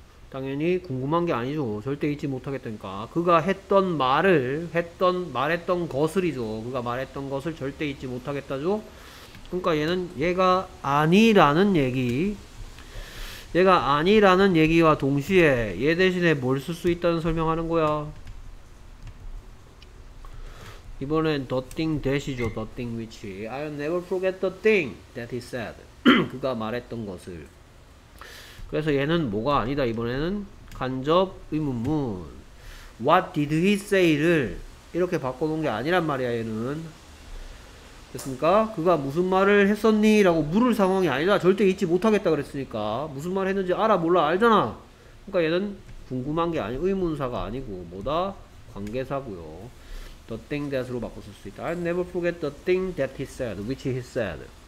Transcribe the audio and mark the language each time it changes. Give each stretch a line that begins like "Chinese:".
Korean: 당연히 궁금한 게 아니죠. 절대 잊지 못하겠다니까. 그가 했던 말을 했던 말했던 것을이죠. 그가 말했던 것을 절대 잊지 못하겠다죠. 그러니까 얘는 얘가 아니라는 얘기 얘가 아니라는 얘기와 동시에 얘 대신에 뭘 쓸 수 있다는 설명하는 거야. 이번엔
English: the thing that
Korean: 이죠.
English: The thing which I'll never forget the thing that he said.
Korean: 그가 말했던 것을. 그래서 얘는 뭐가 아니다. 이번에는 간접 의문문.
English: What did he say
Korean: 를 이렇게 바꿔놓은 게 아니란 말이야. 얘는 됐습니까? 그가 무슨 말을 했었니? 라고 물을 상황이 아니다. 절대 잊지 못하겠다 그랬으니까. 무슨 말 했는지 알아, 몰라, 알잖아. 그러니까 얘는 궁금한 게 아니, 의문사가 아니고 뭐다? 관계사고요.
English: The thing that
Korean: 으로 바꿔 쓸 수 있다.
English: I'll never forget the thing that he said, which he said.